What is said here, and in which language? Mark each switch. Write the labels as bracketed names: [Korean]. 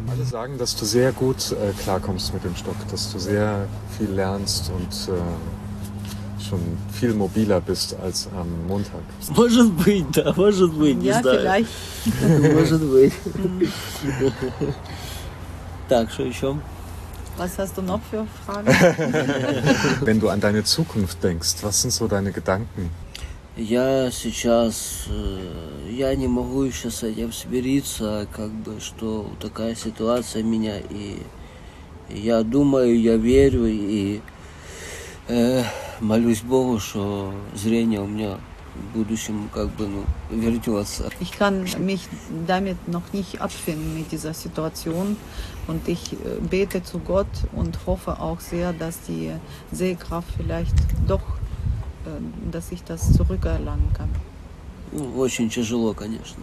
[German] Alle sagen, dass du sehr gut klarkommst mit dem Stock, dass du sehr viel lernst und schon viel mobiler bist als am Montag. [Russian] Может быть, да, может быть, не знаю. [German] Ja, vielleicht. [Russian] Может быть. Так, что еще? [German] Was hast du noch für Fragen? Wenn du an deine Zukunft denkst, was sind so deine Gedanken? [Russian] Я сейчас, я не могу еще с этим смириться, как бы, что такая ситуация меня, и я думаю, я верю, и молюсь Богу, что зрение у меня в будущем, как бы, ну, вернется. [German] Ich kann mich damit noch nicht abfinden mit dieser Situation, und ich bete zu Gott und hoffe auch sehr, dass die Sehkraft vielleicht doch dass ich das zurückerlangen kann. [Russian] Очень тяжело, конечно.